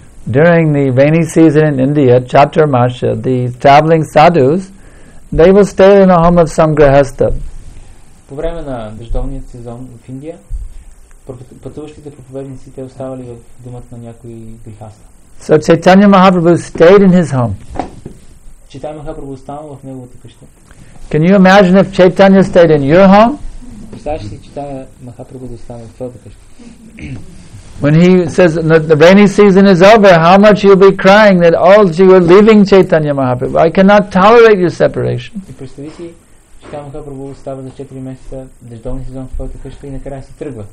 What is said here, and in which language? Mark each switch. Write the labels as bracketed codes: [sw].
[en] During the rainy season in India, Chaturmasya, the traveling sadhus, they will stay in the home of some grihastha. [bg] По време на дъждовния сезон в Индия, пътуващите проповедници те оставали в домът на някои грихаста. [en] So Chaitanya Mahaprabhu stayed in his home. [bg] Chaitanya Mahaprabhu останал в неговата къща. [en] Can you imagine if Chaitanya stayed in your home? [bg] Представяш ли, Chaitanya Mahaprabhu да остане в твоята къща? [en] When he says that the rainy season is over, how much you'll be crying that all you are leaving Chaitanya Mahaprabhu. I cannot tolerate your separation. [bg] И представи си, Chaitanya Mahaprabhu остава за 4 месеца дъждовния сезон в твоята къща и накрая се тръгва.